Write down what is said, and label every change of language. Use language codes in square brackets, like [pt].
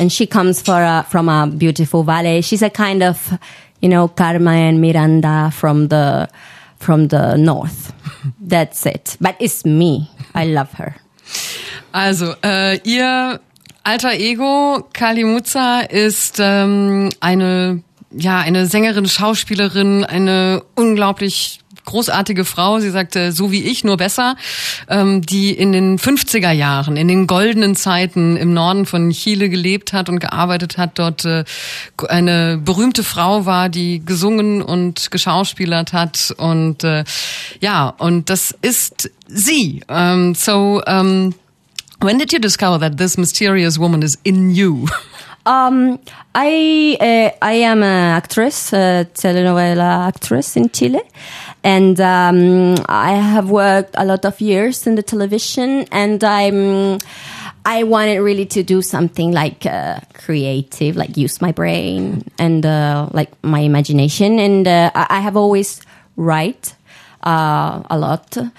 [en] And she comes from a beautiful valley. She's a kind of, you know, Carmen Miranda from the north. That's it. But it's me. I love her. [de] Also, ihr alter Ego, Kali Mutsa, ist eine Sängerin, Schauspielerin, eine unglaublich großartige Frau. Sie sagte, so wie ich, nur besser, die in den 50er Jahren, in den goldenen Zeiten im Norden von Chile gelebt hat und gearbeitet hat, dort eine berühmte Frau war, die gesungen und geschauspielert hat. Und und das ist sie. [en] When did you discover that this mysterious woman is in you? I am an actress, a telenovela actress in Chile, and I have worked a lot of years in the television, and I wanted really to do something like creative, like use my brain and like my imagination, and I have always write a lot.